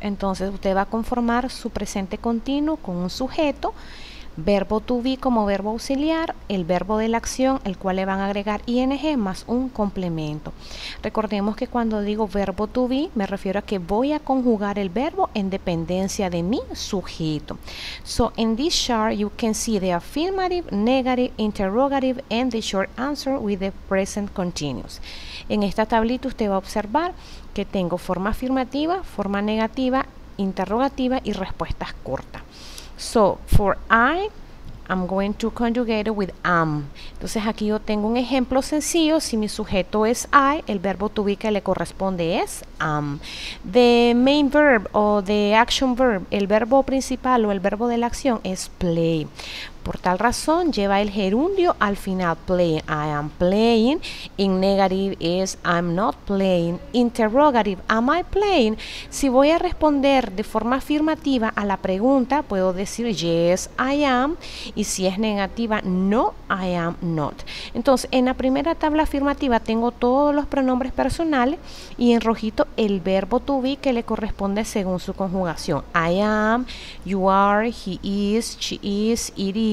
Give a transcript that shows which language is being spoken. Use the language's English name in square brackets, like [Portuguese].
[Spanish] Entonces usted va a conformar su presente continuo con un sujeto, verbo to be como verbo auxiliar, el verbo de la acción, el cual le van a agregar ing más un complemento. Recordemos que cuando digo verbo to be, me refiero a que voy a conjugar el verbo en dependencia de mi sujeto. [English] So in this chart you can see the affirmative, negative, interrogative and the short answer with the present continuous. [Spanish] En esta tablita usted va a observar que tengo forma afirmativa, forma negativa, interrogativa y respuestas cortas. [English] So, for I, I'm going to conjugate it with am. [Spanish] Entonces, aquí yo tengo un ejemplo sencillo. Si mi sujeto es I, el verbo to be que le corresponde es am. [English] The main verb o the action verb, [Spanish] el verbo principal o el verbo de la acción es play. Por tal razón, lleva el gerundio al final, play. [English] I am playing. In negative is I'm not playing. Interrogative, am I playing? [Spanish] Si voy a responder de forma afirmativa a la pregunta, puedo decir [English] yes, I am. [Spanish] Y si es negativa, no, [English] I am not. [Spanish] Entonces, en la primera tabla afirmativa tengo todos los pronombres personales y en rojito el verbo to be que le corresponde según su conjugación. [English] I am, you are, he is, she is, it is.